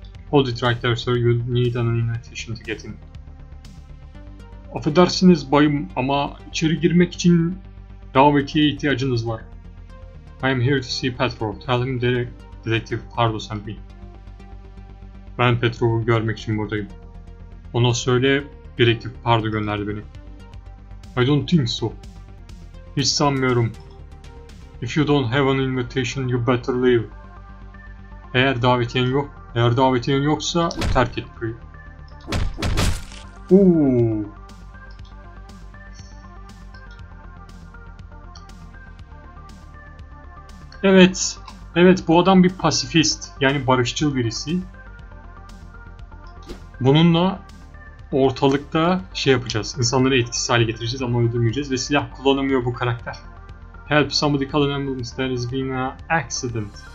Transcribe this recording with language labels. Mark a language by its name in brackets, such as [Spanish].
[English] Hold it right there sir, you need an invitation to get in. [Turkish] Affedersiniz bayım ama içeri girmek için davetiye ihtiyacınız var. [English] I am here to see Petrov. Tell him Detective Pardo sent me. [Turkish] Ben Petrov'u görmek için buradayım. Ona söyle, Detective Pardo gönderdi beni. [English] I don't think so. [Turkish] Hiç sanmıyorum. [English] If you don't have an invitation, you better leave. [Turkish] Eğer davetiyen yok. Eğer davetiyen yoksa terk et köyü. Evet. Evet, bu adam bir pasifist. Yani barışçıl birisi. Bununla ortalıkta şey yapacağız. İnsanları etkisiz hale getireceğiz ama öldürmeyeceğiz. Ve silah kullanamıyor bu karakter. [English] Help somebody call an ambulance, there has been an accident.